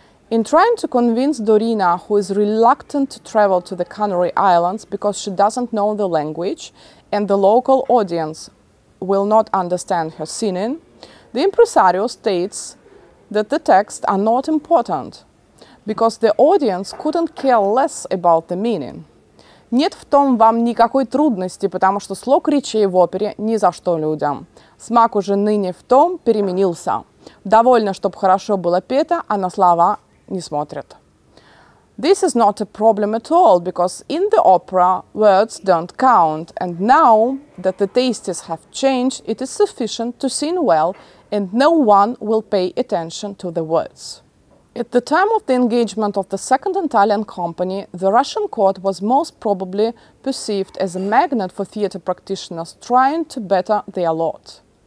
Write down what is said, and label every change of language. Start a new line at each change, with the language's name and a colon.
English: In trying to convince Dorina, who is reluctant to travel to the Canary Islands because she doesn't know the language and the local audience will not understand her singing, the impresario states that the texts are not important because the audience couldn't care less about the meaning.
Russian: Нет в том вам никакой трудности, потому что слог речи в опере ни за что людям. Смак уже ныне в том переменился. Довольно, чтоб хорошо было пето, а на слова не смотрят.
English: This is not a problem at all, because in the opera, words don't count. And now that the tastes have changed, it is sufficient to sing well, and no one will pay attention to the words. At the time of the engagement of the Second Italian Company, the Russian court was most probably perceived as a magnet for theatre practitioners trying to better their lot.